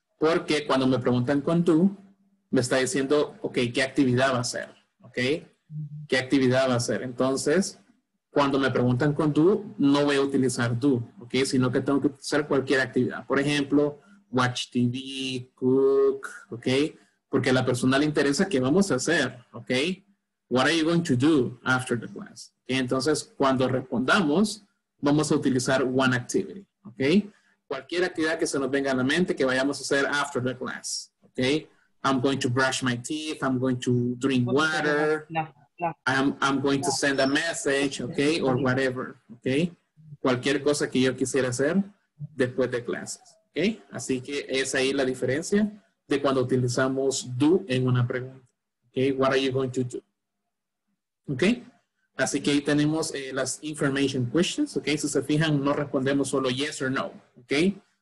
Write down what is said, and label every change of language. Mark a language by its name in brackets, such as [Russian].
[Spanish] Porque cuando me preguntan con tú, me está diciendo, ok, ¿qué actividad va a hacer? ¿Ok? ¿Qué actividad va a hacer? Entonces, cuando me preguntan con tú, no voy a utilizar tú, ¿ok? Sino que tengo que usar cualquier actividad. Por ejemplo, [English] watch TV, [Spanish] cook, ¿ok? Porque a la persona le interesa qué vamos a hacer, ¿ok? [English] What are you going to do after the class? ¿Okay? [Spanish] Entonces, cuando respondamos, vamos a utilizar [English] one activity, [Spanish] ¿ok? Cualquier actividad que se nos venga a la mente que vayamos a hacer [English] after the class, [Spanish] ¿ok? [English] I'm going to brush my teeth, I'm going to drink water, I'm going to send a message, ¿ok? Or whatever, ¿ok? [Spanish] Cualquier cosa que yo quisiera hacer después de clases, ¿ok? Así que es ahí la diferencia de cuando utilizamos do en una pregunta, ¿ok? [English] What are you going to do? [Spanish] ¿Ok? Así que ahí tenemos las information questions, ¿ok? Si se fijan, no respondemos solo [English] yes or no, [Spanish] ¿ok?